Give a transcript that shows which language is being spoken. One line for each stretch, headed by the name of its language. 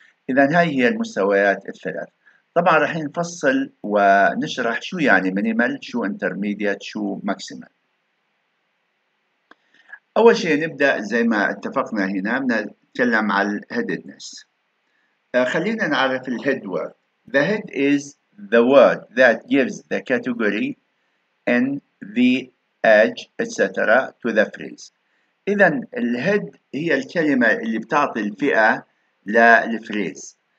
Arabic: إذن هاي هي المستويات الثلاث. طبعا راح نفصل ونشرح شو يعني minimal، شو intermediate، شو maximal. أول شيء نبدأ زي ما اتفقنا هنا، نتكلم على الـ headedness. خلينا نعرف الـ head word.
English: The head is the word that gives the category and the edge etc. to the phrase.
Arabic: إذا الـ head هي الكلمة اللي بتعطي الفئة للفريز.